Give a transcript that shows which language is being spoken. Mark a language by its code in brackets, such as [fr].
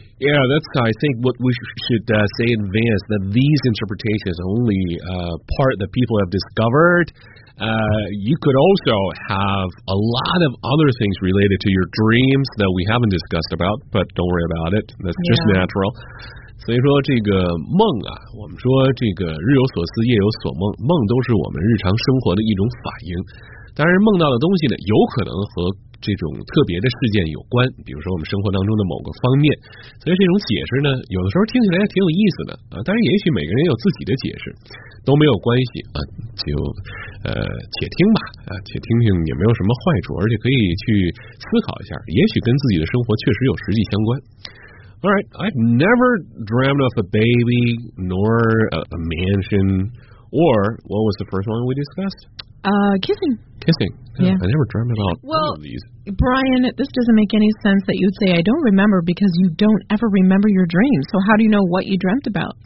[en] Yeah, that's, I think, what we should say in advance, that these interpretations are only part that people have discovered. You could also have a lot of other things related to your dreams that we haven't discussed about, but don't worry about it. That's just natural. [zh] 所以说这个梦啊，我们说这个日有所思，夜有所梦，梦都是我们日常生活的一种反应。当然梦到的东西呢，有可能和这种特别的事件有关，比如说我们生活当中的某个方面。所以这种解释呢，有的时候听起来也挺有意思的啊。当然也许每个人有自己的解释，都没有关系啊，就且听吧啊，且听听也没有什么坏处，而且可以去思考一下，也许跟自己的生活确实有实际相关。 [en] All right, I've never dreamed of a baby, nor a mansion, or what was the first one we discussed? Kissing. Kissing. Yeah. I never dreamed about all of these. Well, Brian, this doesn't make any sense that you'd say I don't remember because you don't ever remember your dreams. So how do you know what you dreamt about?